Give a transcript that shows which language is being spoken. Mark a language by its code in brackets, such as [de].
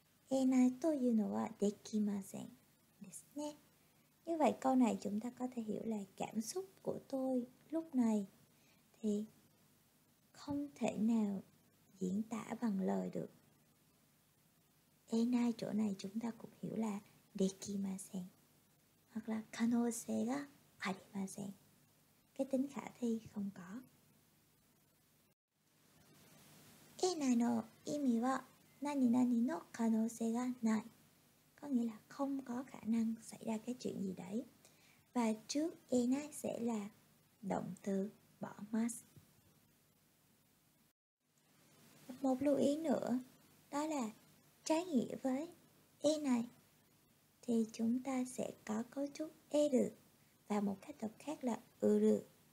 [ja] えないというのはできませんですね. [vi] Như vậy câu này chúng ta có thể hiểu là cảm xúc của tôi lúc này thì không thể nào diễn tả bằng lời được. えない chỗ này chúng ta cũng hiểu là できません. Hoặc là [ja] 可能性がありません. [vi] Cái tính khả thi không có. [ja] えないの意味は 何々の可能性がない. [vi] Có nghĩa là không có khả năng xảy ra cái chuyện gì đấy. Và trước えない sẽ là động từ bỏ mas. Một lưu ý nữa, đó là trái nghĩa với えない thì chúng ta sẽ có cấu trúc える và một cách đọc khác là うる.